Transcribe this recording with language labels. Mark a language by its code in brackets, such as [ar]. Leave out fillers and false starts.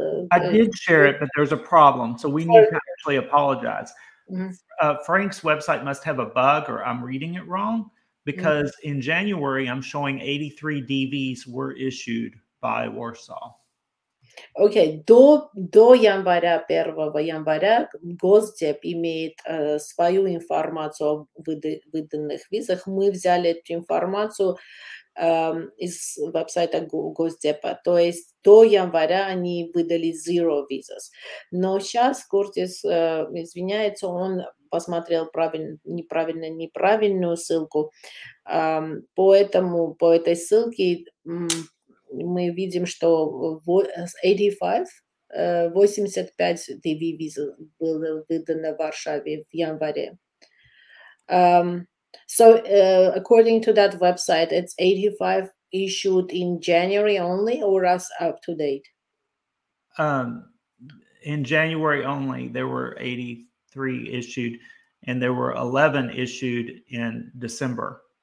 [en] I did share it, but there's a problem. So we need to actually apologize. Mm-hmm. Frank's website must have a bug or I'm reading it wrong, because mm-hmm. in January, I'm showing 83 DVs were issued by Warsaw. [ru] Окей, до января, 1 января, Госдеп имеет свою информацию о выданных визах. Мы взяли эту информацию из веб-сайта Госдепа. То есть до января они выдали [en] zero visas. [ru] Но сейчас Куртис, извиняется, он посмотрел неправильную ссылку. По этой ссылке... мы видим, что 85 DV виза было выдано в Варшаве в январе. [en] According to that website, it's 85 issued in January only, or as up to date? In January only, there were 83 issued, and there were 11 issued in December.